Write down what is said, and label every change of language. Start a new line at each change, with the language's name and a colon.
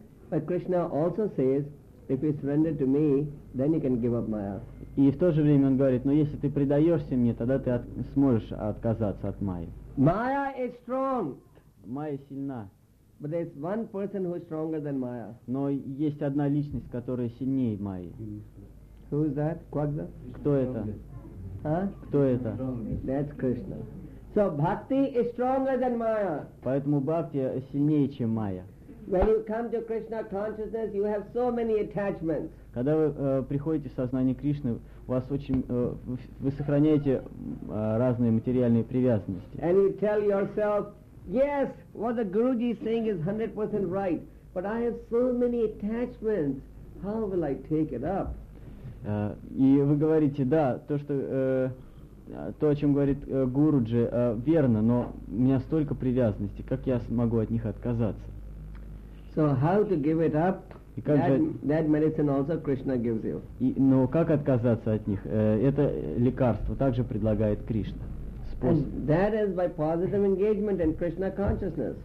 English: But Krishna also says, if you surrender to me, then you can give up maya.
Russian: И в то же время он говорит, но если ты предаешься мне, тогда ты сможешь отказаться от майи.
English: Maya is strong.
Russian: Майя сильна.
English: But there is one person who is stronger than maya.
Russian: Но есть одна личность, которая сильнее майи.
English: Who is that? Quagga?
Russian: Кто это? Кто это?
English: That's Krishna. So bhakti is stronger than maya.
Russian: Поэтому бхакти сильнее, чем майя.
English: When you come to Krishna consciousness, you have so many attachments.
Russian: Когда вы приходите в сознание Кришны, у вас очень вы сохраняете разные материальные привязанности.
English: And you tell yourself, yes, what the Guruji is saying is 100% right, but I have so many attachments. How will I take it up?
Russian: И вы говорите, да, то, о чем говорит Гуруджи, верно, но у меня столько привязанностей, как я смогу от них отказаться?
English: So how to give it up? That medicine also Krishna gives you.
Russian: Но как отказаться от них? Это лекарство также предлагает Кришна.
English: And that is by positive engagement in Krishna consciousness.